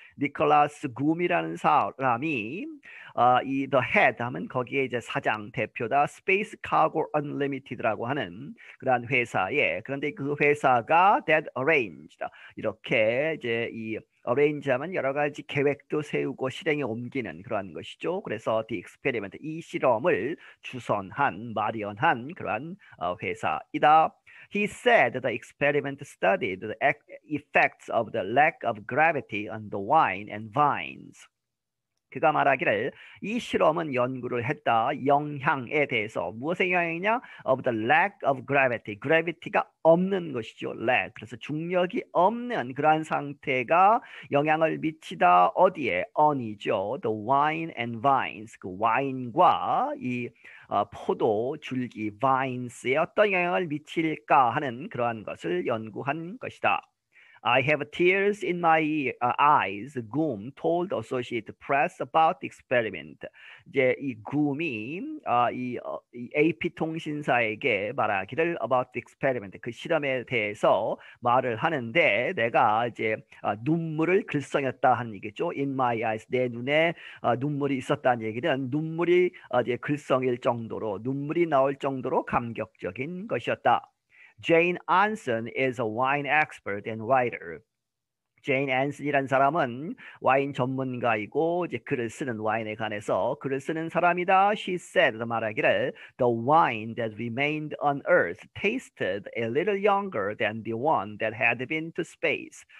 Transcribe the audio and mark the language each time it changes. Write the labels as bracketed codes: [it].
[ko] Nicholas Goom이라는 사람이 이 [en] the head [ko] 하면 거기에 이제 사장 대표다 Space Cargo Unlimited라고 하는 그런 회사에 그런데 그 회사가 [en] that arranged [ko] 이렇게 이제 이 arrange 하면 여러 가지 계획도 세우고 실행에 옮기는 그러한 것이죠. 그래서 [en] the experiment [ko] 이 실험을 주선한 마련한 그러한 회사이다. [en] He said the experiment studied the effects of the lack of gravity on the wine and vines. [ko] 그가 말하기를 이 실험은 연구를 했다. 영향에 대해서 무엇의 영향이냐? [en] Of the lack of gravity. Gravity가 [ko] 없는 것이죠. [en] Lack. [ko] 그래서 중력이 없는 그러한 상태가 영향을 미치다. 어디에? [en] On이죠. The wine and vines. [ko] 그 와인과 이 포도, 줄기, vines에 어떤 영향을 미칠까 하는 그러한 것을 연구한 것이다. [en] I have tears in my eyes, Goom told Associated Press about the experiment. [ko] 이제 이 Goom이 이 AP통신사에게 말하기를 [en] about the experiment, [ko] 그 실험에 대해서 말을 하는데 내가 이제 눈물을 글썽였다 하는 얘기죠. [en] In my eyes, [ko] 내 눈에 눈물이 있었다는 얘기는 눈물이 이제 글썽일 정도로, 눈물이 나올 정도로 감격적인 것이었다. [en] Jane Anson is a wine expert and writer. [ko] Jane Anson이라는 사람은 와인 전문가이고 이제 글을 쓰는 와인에 관해서 글을 쓰는 사람이다. [en] She said [ko] 말하기를 [en] The wine that remained on earth tasted a little younger than the one that had been to space.